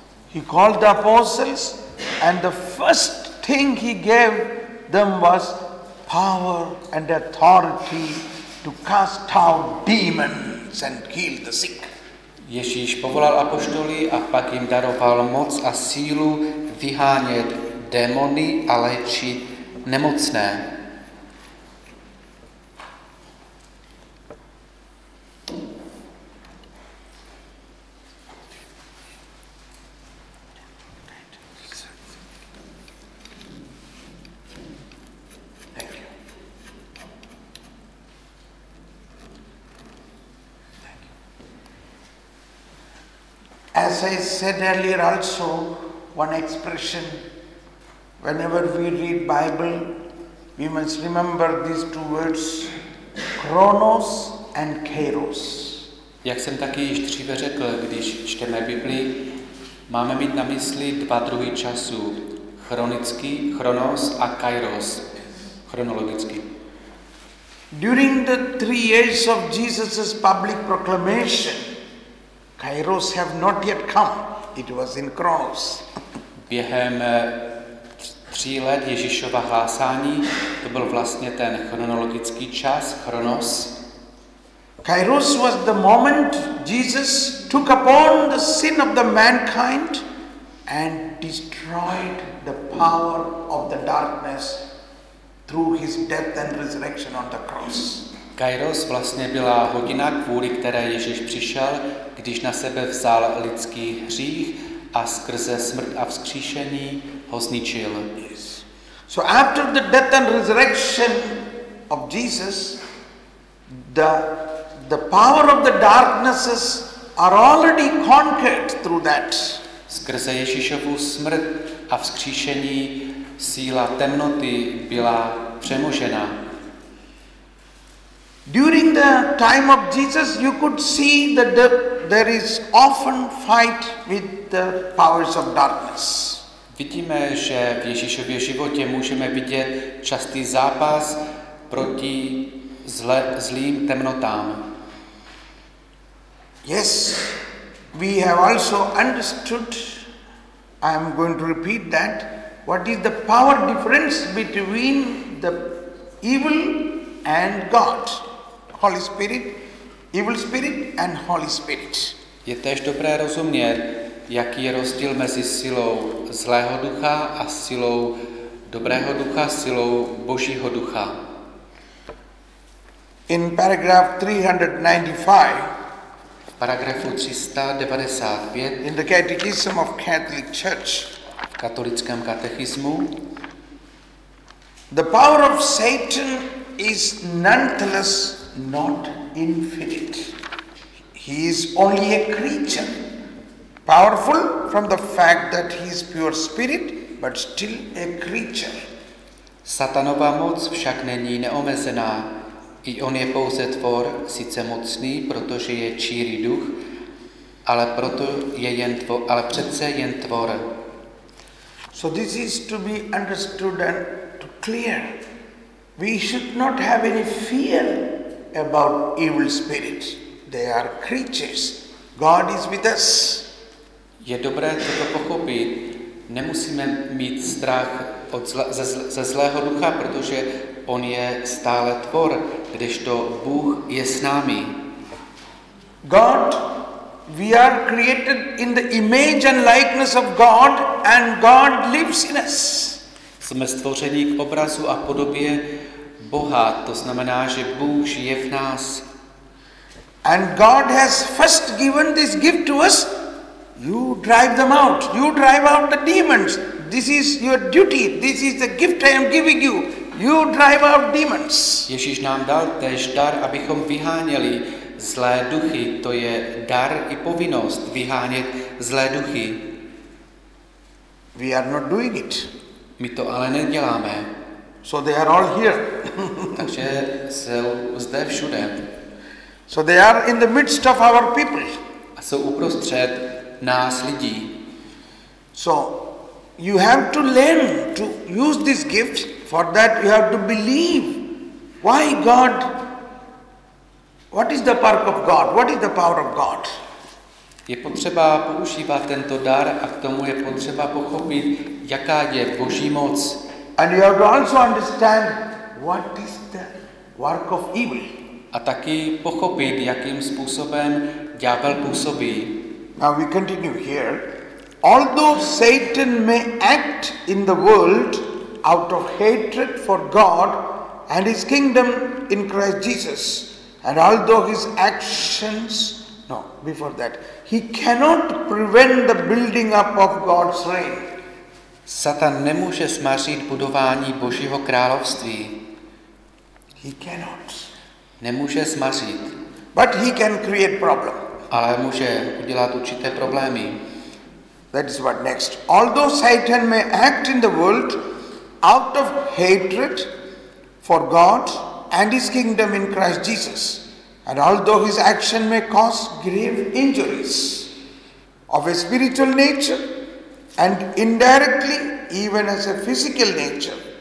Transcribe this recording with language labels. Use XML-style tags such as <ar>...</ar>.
<en>He called the apostles and the first thing he gave them was power and authority to cast out demons and heal the sick.</en> <cs>Ježíš povolal apoštoly a pak jim daroval moc a sílu vyhánět démony a léčit nemocné.</cs> <en>As I said earlier also, one expression, whenever we read Bible, we must remember these two words, chronos and kairos.</en> <cs>Jak jsem taky již dříve řekl, když čteme Biblii, máme mít na mysli dva druhy času, chronický, chronos a kairos, chronologicky.</cs> <en>During the 3 years of Jesus' public proclamation, Kairos have not yet come. It was in Chronos.</en> <cs>Během 3 let Ježíšova hlásání to byl vlastně ten chronologický čas, Chronos.</cs> <en>Kairos was the moment Jesus took upon the sin of the mankind and destroyed the power of the darkness through his death and resurrection on the cross.</en> <cs>Kairos vlastně byla hodina, kvůli které Ježíš přišel, když na sebe vzal lidský hřích a skrze smrt a vzkříšení ho zničil.</cs> <en>Yes. So after the death and resurrection of Jesus, the power of the darknesses are already conquered through that.</en> <cs>Skrze Ježíšovu smrt a vzkříšení síla temnoty byla přemožena.</cs> <en>During the time of Jesus, you could see that there is often fight with the powers of darkness.</en> <cs>Vidíme, že v Ježíšově životě můžeme vidět častý zápas proti zlým temnotám.</cs> <en>Yes, we have also understood, I am going to repeat that, what is the power difference between the evil and God. Holy Spirit, evil spirit and Holy Spirit.</en> <cs>Je též dobré rozumět, jaký je rozdíl mezi silou zlého ducha a silou dobrého ducha, silou Božího ducha.</cs> <en>In paragraph 395,</en> <cs>v paragrafu 395,</cs> <en>in the Catechism of Catholic Church,</en> <cs>v katolickém katechismu,</cs> <en>the power of Satan is nonetheless not infinite. He is only a creature, powerful from the fact that he is pure spirit, but still a creature.</en> <cs>Satanova moc však není neomezená. I on je pouze tvor, sice mocný, protože je čirý duch, ale proto je jen tvor, ale přece jen tvor.</cs> <en>So this is to be understood and to clear. We should not have any fear about evil spirits. They are creatures. God is with us.</en> <cs>Je dobré toto pochopit. Nemusíme mít strach od zlého ducha, protože on je stále tvor, kdežto Bůh je s námi.</cs> <en>God, we are created in the image and likeness of God and God lives in us.</en> <cs>Jsme stvoření k obrazu a podobě Boha, to znamená, že Bůh žije v nás.</cs> <en>And God has first given this gift to us. You drive them out. You drive out the demons. This is your duty. This is the gift I am giving you. You drive out demons.</en> <cs>Ježíš nám dal též dar, abychom vyháněli zlé duchy. To je dar i povinnost vyhánět zlé duchy.</cs> <en>We are not doing it.</en> <cs>My to ale neděláme.</cs> <en>So they are all here.</en> <cs>Takže jsou zde všude.</cs> <en>So they are in the midst of our people.</en> <cs>A jsou uprostřed nás lidí.</cs> <en>So you have to learn to use this gift. For that you have to believe. Why God What is the work of God? What is the power of God?</en> <cs>Je potřeba používat tento dar a k tomu je potřeba pochopit, jaká je Boží moc.</cs> <en>And you have to also understand what is the work of evil.</en> <cs>A taky pochopit, jakým způsobem ďábel působí.</cs> <en>Now we continue here. Although Satan may act in the world out of hatred for God and his kingdom in Christ Jesus, and although his actions, no, before that, he cannot prevent the building up of God's reign.</en> <cs>Satan nemůže smařit budování Božího království.</cs> <en>He cannot.</en> <cs>Nemůže smařit.</cs> <en>But he can create problem.</en> <cs>Ale může udělat určité problémy.</cs> <en>That is what next. Although Satan may act in the world out of hatred for God and his kingdom in Christ Jesus, and although his action may cause grave injuries of a spiritual nature and indirectly even as a physical nature</en>